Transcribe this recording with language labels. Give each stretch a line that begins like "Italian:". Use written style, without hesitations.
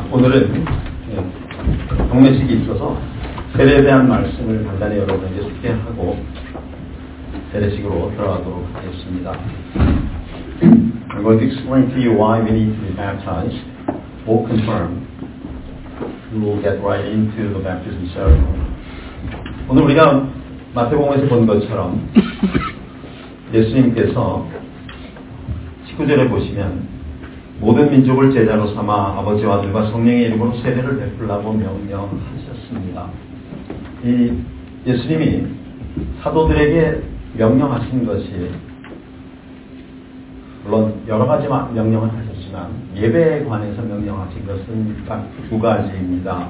Korean: 오늘은 경례식이 있어서 세례에 대한 말씀을 간단히 여러분에게 소개하고 세례식으로 들어가도록 하겠습니다.
English: I'm going to explain to you why we need to be baptized or confirmed. We will get right into the baptism ceremony.
Korean: 오늘 우리가 마태복음에서 본 것처럼 예수님께서 19절에 보시면 모든 민족을 제자로 삼아 아버지와 아들과 성령의 이름으로 세례를 베풀라고 명령하셨습니다. 이 예수님이 사도들에게 명령하신 것이 물론 여러 가지 명령을 하셨지만 예배에 관해서 명령하신 것은 딱 두 가지입니다.